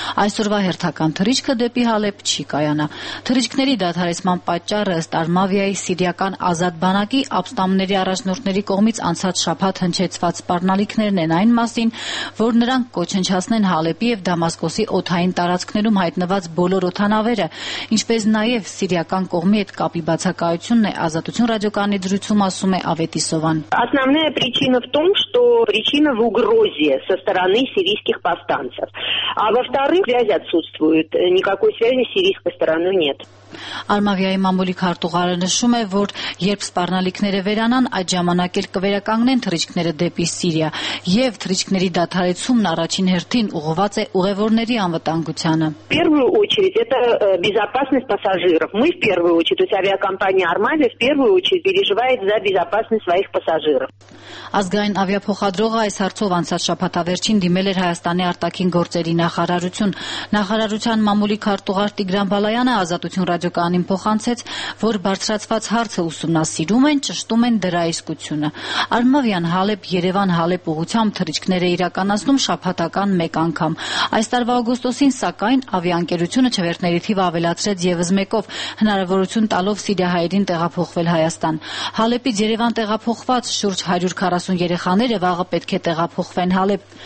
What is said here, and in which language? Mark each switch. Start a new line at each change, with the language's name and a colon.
Armenian: Այսօրվա հերթական թռիչքը դեպի Հալեպ չի կայանա։ Թռիչքների դադարեցման պատճառը ըստ Արմավիայի Սիրիական ազատ բանակի ապստամբների առաջնորդների կողմից անցած շաբաթ հնչեցված սպառնալիքներն են այն մասին, որ նրանք կոչնչացնեն Հալեպի և Դամասկոսի օդային տարածքներում հայտնված բոլոր օդանավերը, ինչպես նաև Սիրիական կողմի հետ կապի բացակայությունն է, Ազատություն ռադիոկայանի դրույթում ասում է Ավետիսովան։
Russian: Основная причина в том, что причина в угрозе со стороны сирийских повстанцев. А во-вторых, связь отсутствует, никакой связи с сирийской стороной нет.
Armenian: Արմավիայի մամուլի քարտուղարը նշում է, որ երբ սպառնալիքները վերանան, այդ ժամանակ էլ կվերականգնեն թռիչքները դեպի Սիրիա, և թռիչքների դադարեցումն առաջին հերթին ուղղված է ուղևորների անվտանգությանը։
Russian: Первую очередь это безопасность пассажиров. Мы в первую очередь, то есть авиакомпания Армавия в первую очередь переживает за безопасность своих пассажиров.
Armenian: Ազգային ավիափոխադրողը այս հարցով անցած շաբաթավերջին դիմել էր Հայաստանի արտաքին գործերի նախարարություն։ Նախարարության մամուլի քարտուղար Տիգրան Բալայանը Ազատություն ռադիոկայանին փոխանցեց, որ բարձրացված հարցը ուսումնասիրում են, ճշտում են դրա իսկությունը։ Արմավյան Հալեպ Երևան Հալեպ ուղությամբ թռիչքները իրականացնում շաբաթական մեկ անգամ։ Այս տարվա օգոստոսին, սակայն, ավիաընկերությունը չվերթների թիվը ավելացրեց ևս մեկով, հնարավորություն տալով սիրիահայերին տեղափոխվել Հայաստան։ Հալեպից Երևան տեղափոխված շուրջ 140 երեխաները վաղը պետք է տեղափոխվեն Հալեպ։